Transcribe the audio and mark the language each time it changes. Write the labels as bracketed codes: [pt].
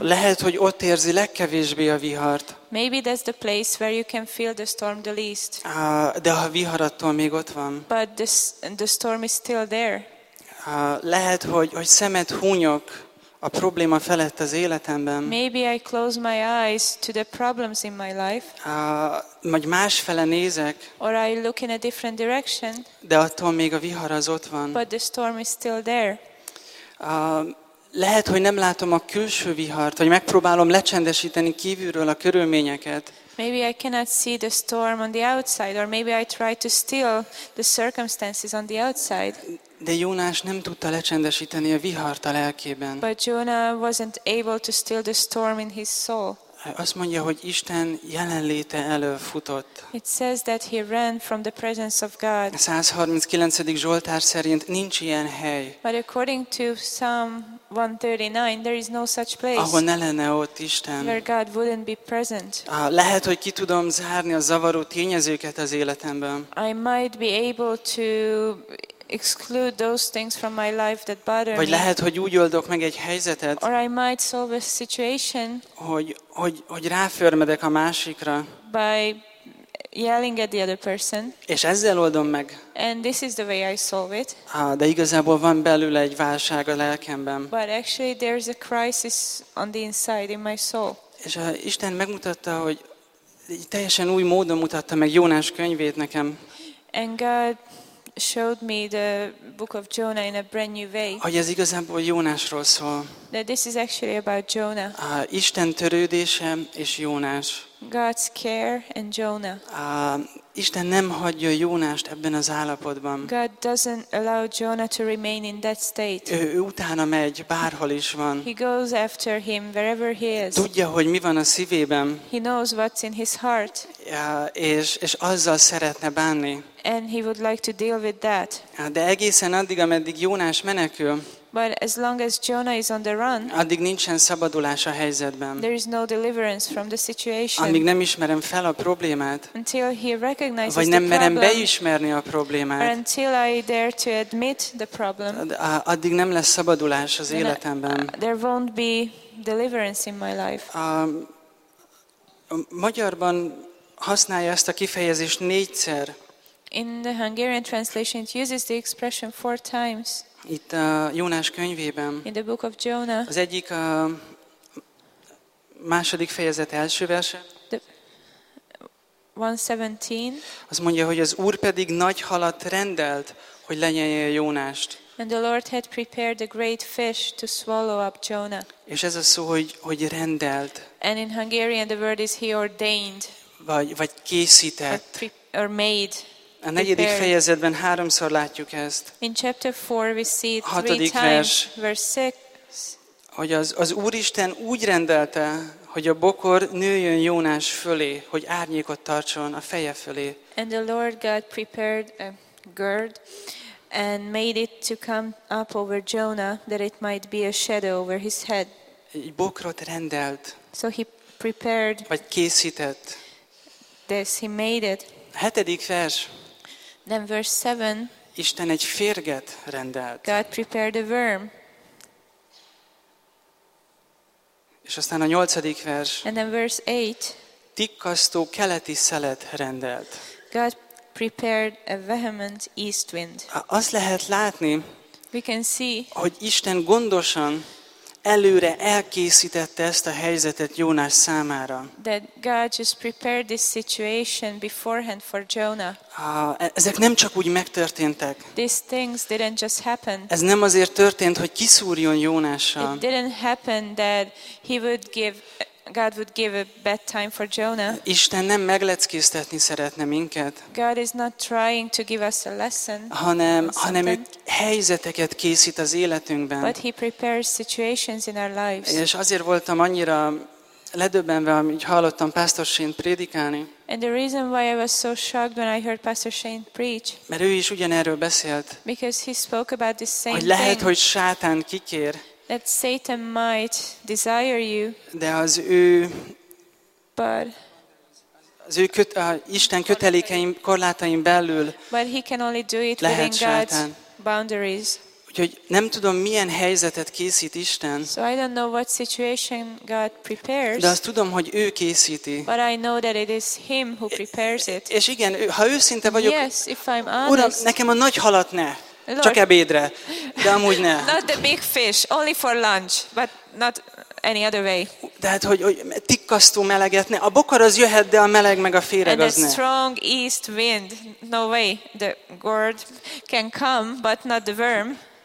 [hu] Lehet, hogy ott érzi legkevésbé a vihart. [en] Maybe that's the place where you can feel the storm the least. [hu] De a vihar attól még ott van. [en] But the storm is still there. [hu] Lehet, hogy szemet hunyok a probléma felett az életemben. [en] Maybe I close my eyes to the problems in my life. [hu] Vagy másfele nézek. [en] Or I look in a different direction. [hu] De attól még a vihar az ott van. [en] But the storm is still there. [hu] Lehet, hogy nem látom a külső vihart, vagy megpróbálom lecsendesíteni kívülről a körülményeket. [en] Maybe I cannot see the storm on the outside, or maybe I try to still the circumstances on the outside. [hu] De Jónás nem tudta lecsendesíteni a vihart a lelkében. [en] But Jonah wasn't able to still the storm in his soul. [hu] Azt mondja, hogy Isten jelenléte elől futott. [en] It says that he ran from the presence of God. [hu] 139. Zsoltár szerint nincs ilyen hely. [en] But according to Psalm 139, there is no such place. [hu] Ahol ne lenne ott Isten. [en] Where God wouldn't be present. [hu] Lehet, hogy ki tudom zárni a zavaró tényezőket az életemben. [en] I might be able to exclude those things from my life that bother me. [hu] Vagy lehet, hogy úgy oldok meg egy helyzetet. [en] Or I might solve a situation. [hu] Hogy ráförmedek a másikra. [en] By yelling at the other person. [hu] És ezzel oldom meg. [en] And this is the way I solve it. [hu] De igazából van belőle egy válság a lelkemben. [en] But actually there's a crisis on the inside in my soul. [hu] És Isten megmutatta, hogy teljesen új módon mutatta meg Jónás könyvét nekem. [en] And God showed me the book of Jonah in a brand new way. [hu] Hogy ez igazából Jónásról szól. [en] That this is actually about Jonah. [hu] Isten törődése és Jónás. [en] God's care and Jonah. [hu] Isten nem hagyja Jónást ebben az állapotban. [en] God doesn't allow Jonah to remain in that state. [hu] Ő utána megy, bárhol is van. [en] He goes after him wherever he is. [hu] Tudja, hogy mi van a szívében. [en] He knows what's in his heart. [hu] És azzal szeretne bánni. [en] And he would like to deal with that. [hu] De egészen addig, ameddig Jónás menekül. [en] But as long as Jonah is on the run, [hu] addig nincsen szabadulás a helyzetben. [en] There is no deliverance from the situation. [hu] Amíg nem ismerem fel a problémát. [en] Until he recognizes [hu] vagy nem [en] the [hu] merem [en] problem, [hu] beismerni a problémát. [en] Or until I dare to admit the problem. [hu] Addig nem lesz szabadulás az életemben. [en] There won't be deliverance in my life. [hu] Magyarban használja ezt a kifejezést négyszer. [en] In the Hungarian translation it uses the expression four times. [hu] Itt a Jónás könyvében. [en] In the book of Jonah. [hu] Az egyik a második fejezet első verse. [en] 1:17. [hu] Azt mondja, hogy az Úr pedig nagy halat rendelt, hogy lenyelje Jónást. [en] And the Lord had prepared a great fish to swallow up Jonah. [hu] És ez a szó, hogy rendelt. [en] And in Hungarian the word is he ordained. [hu] Vagy készített. [en] Or made. [hu] A negyedik fejezetben háromszor látjuk ezt. [en] In chapter 4 we see it [hu] hatodik [en] three times. Verse 6. [hu] Hogy az Úristen úgy rendelte, hogy a bokor nőjön Jónás fölé, hogy árnyékot tartson a feje fölé. [en] And the Lord God prepared a gird and made it to come up over Jonah that it might be a shadow over his head. [hu] Egy bokrot rendelt. [en] So he prepared. [hu] Vagy készített. [en] This he made it. [hu] Hetedik vers. [en] Then verse 7. [hu] Isten egy férget rendelt. [en] God prepared a worm. [hu] És aztán a nyolcadik vers. [en] And then verse 8. [hu] Tikkasztó keleti szelet rendelt. [en] God prepared a vehement east wind. [hu] Azt lehet látni, [en] we can see, [hu] hogy Isten gondosan előre elkészítette ezt a helyzetet Jónás számára. [en] That God just prepared this situation beforehand for Jonah. [hu] Ezek nem csak úgy megtörténtek. [en] These things didn't just happen. [hu] Ez nem azért történt, hogy kiszúrjon Jónással. [en] It didn't happen that he would give God would give a bad time for Jonah. [hu] Isten nem megleckéztetni szeretne minket. [en] God is not trying to give us a lesson. [hu] Hanem ő helyzeteket készít az életünkben. [en] But he prepares situations in our lives. [hu] És azért voltam annyira ledöbbenve, amíg hallottam Pastor Shane prédikálni. [en] And the reason why I was so shocked when I heard Pastor Shane preach. [hu] Mert ő is ugyanerről beszélt. [en] Because he spoke about the same thing. [hu] Hogy lehet, [en] thing. [hu] Hogy Sátán kikér. [en] That Satan might desire you. [hu] De az ő, [en] but [hu] az ő Isten kötelékeim korlátaim belül. [en] But he can only do it within God's boundaries. [hu] Úgyhogy nem tudom, milyen helyzetet készít Isten. [en] So I don't know what situation God prepares. [hu] De azt tudom, hogy ő készíti. [en] But I know that it is him who prepares it. [hu] És igen, ha őszinte vagyok. [en] Yes, if I'm honest. [hu] Uram, nekem a nagy halat ne. [en] Lord, [hu] csak ebédre, de amúgy ne. [en] Not the big fish, only for lunch, but not any other way. [hu] De hát, hogy tikkasztó meleget ne. A bokor az jöhet, de a meleg meg a féreg az ne. [en] And a strong east wind, no way, the gourd can come, but not the worm.